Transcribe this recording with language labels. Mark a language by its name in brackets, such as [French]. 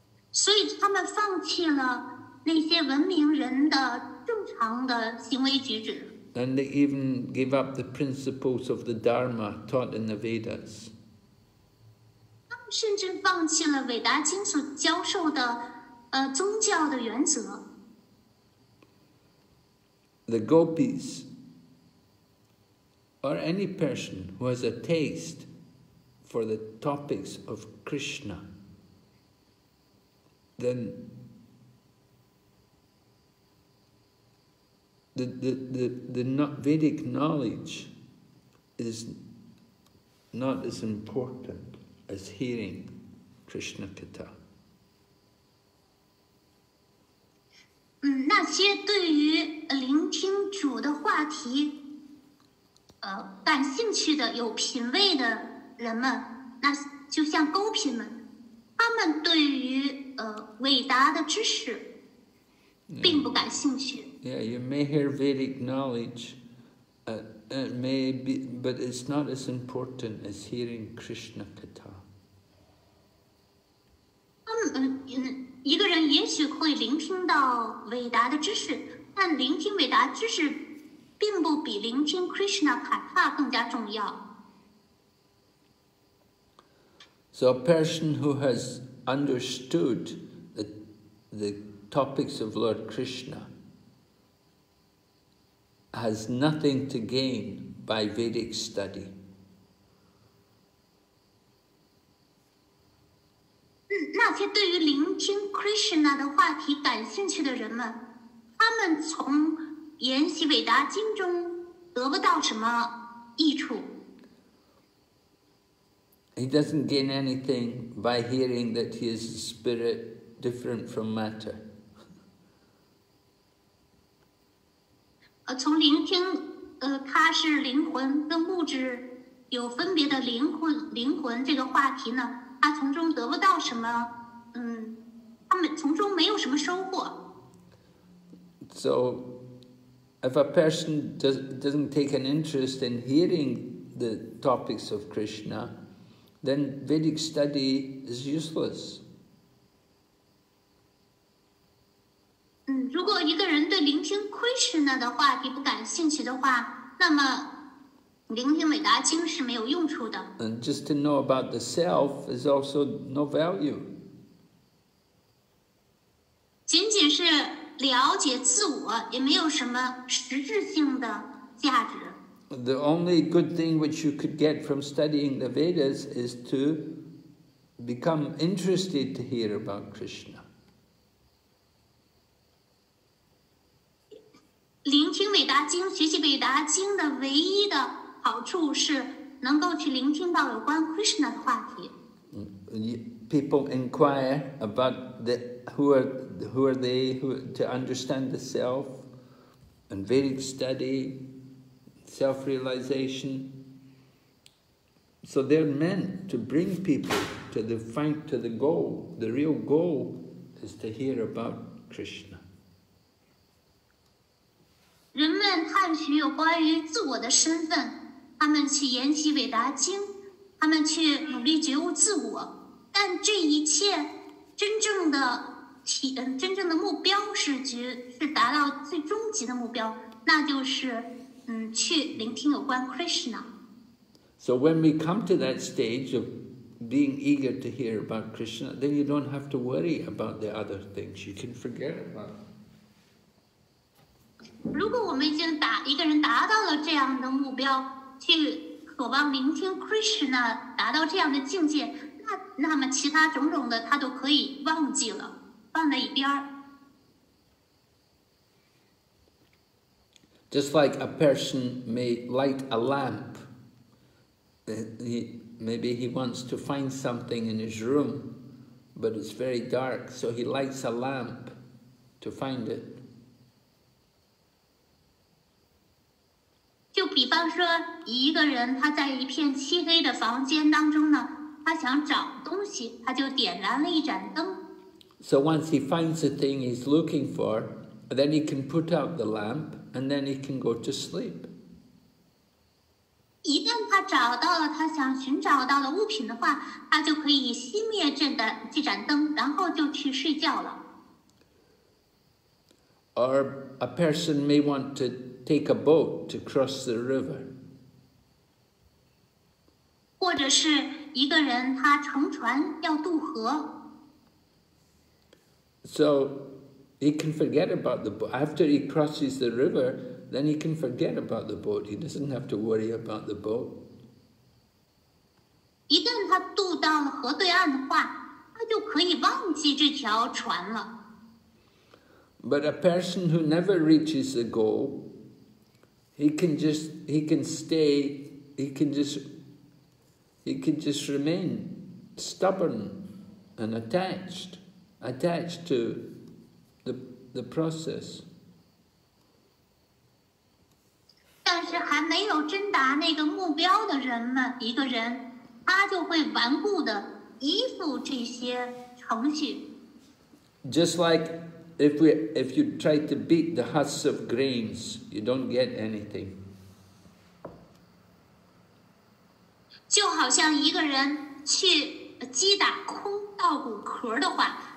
[Chinese] 所以他们放弃了那些文明人的正常的行为举止。 [English] And they even gave up the principles of the Dharma taught in the Vedas. [Chinese] 甚至放弃了伟达经所教授的宗教的原则。 [English] The gopis, or any person who has a taste for the topics of Krishna, then. The Vedic knowledge is not as important as hearing Krishna Katha. [Chinese] 那些对于聆听主的话题，感兴趣的有品味的人们，那就像勾品们，他们对于伟达的知识并不感兴趣。 [English] Yeah, you may hear Vedic knowledge, but it's not as important as hearing Krishna Katha. [Chinese] 一个人也许会聆听到伟达的知识，但聆听伟达知识并不比聆听 Krishna Katha 更加重要。 [English] So a person who has understood the topics of Lord Krishna has nothing to gain by Vedic study. [Chinese] 那些对于聆听 Krishna 的话题感兴趣的人们，他们从研习韦达经中得不到什么益处。 [English] He doesn't gain anything by hearing that he is a spirit different from matter. [Chinese] 从聆听，他是灵魂跟物质有分别的灵魂这个话题呢，他从中得不到什么，他从中没有什么收获。 [English] So, if a person doesn't take an interest in hearing the topics of Krishna,then Vedic study is useless. [Chinese] 如果一个人对聆听 Krishna 的话题不感兴趣的话，那么聆听伟达经是没有用处的。 [English] And just to know about the self is also no value. [Chinese] 仅仅是了解自我也没有什么实质性的价值。 [English] The only good thing which you could get from studying the Vedas is to become interested to hear about Krishna. [Chinese] 聆听韦达经，学习韦达经的唯一的好处是能够去聆听到有关 Krishna 的话题。 [English] People inquire about who are they to understand the self and Vedic study. Self-realization. So they're meant to bring people to the fight to the goal. The real goal is to hear about Krishna. [Chinese] 人们探寻有关于自我的身份，他们去研习韦达经，他们去努力觉悟自我，但这一切真正的目标是达到最终极的目标，那就是去聆听有关 Krishna. [English] So when we come to that stage of being eager to hear about Krishna, then you don't have to worry about the other things. You can forget about. [Chinese] 如果我们已经一个人达到了这样的目标，去渴望聆听 Krishna， 达到这样的境界，那么其他种种的他都可以忘记了，放在一边。 [English] Just like a person may light a lamp, maybe he wants to find something in his room, but it's very dark, so he lights a lamp to find it. [Chinese] 就比方说一个人他在一片漆黑的房间当中呢，他想找东西，他就点燃了一盏灯。 [English] So once he finds the thing he's looking for, then he can put out the lamp,And then he can go to sleep. [Chinese] 一旦他找到了他想寻找到的物品的话，他就可以熄灭这盏灯，然后就去睡觉了。 [English] Or a person may want to take a boat to cross the river. [Chinese] 或者是一个人他乘船要渡河。 [English] So. He can forget about the boat. After he crosses the river, then he can forget about the boat. He doesn't have to worry about the boat. [Chinese] 一旦他渡到了河对岸的话，他就可以忘记这条船了。 [English] But a person who never reaches the goal, he can just remain stubborn and attached to. The process. [Chinese] 但是还没有真达那个目标的人们，一个人，他就会顽固的依附这些程序。 [English] Just like if you try to beat the husks of grains, you don't get anything. [Chinese] 就好像一个人去击打空稻谷壳的话。